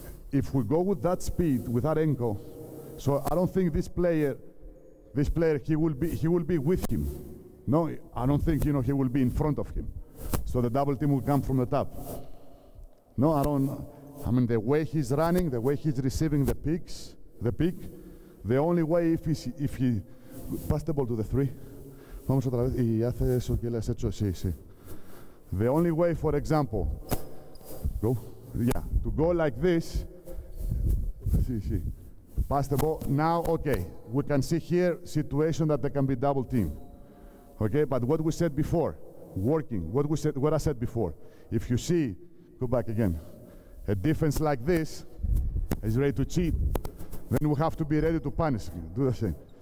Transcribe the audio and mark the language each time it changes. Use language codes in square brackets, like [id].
[en] If we go with that speed, with that ankle, so I don't think this player, he will be with him. No, I don't think, you know, he will be in front of him. So the double team will come from the top. No, I don't. I mean, the way he's running, the way he's receiving the pick, the only way if he pass the ball to the three. [es] Vamos otra vez y hace eso que le has hecho, sí, sí. [en] The only way, for example, go, yeah, to go like this, sí, sí, pass the ball. Now, okay, we can see here situation that there can be double team. Okay, but what we said before, working, what I said before, if you see, go back again, a defense like this is ready to cheat, then we have to be ready to punish, do the same.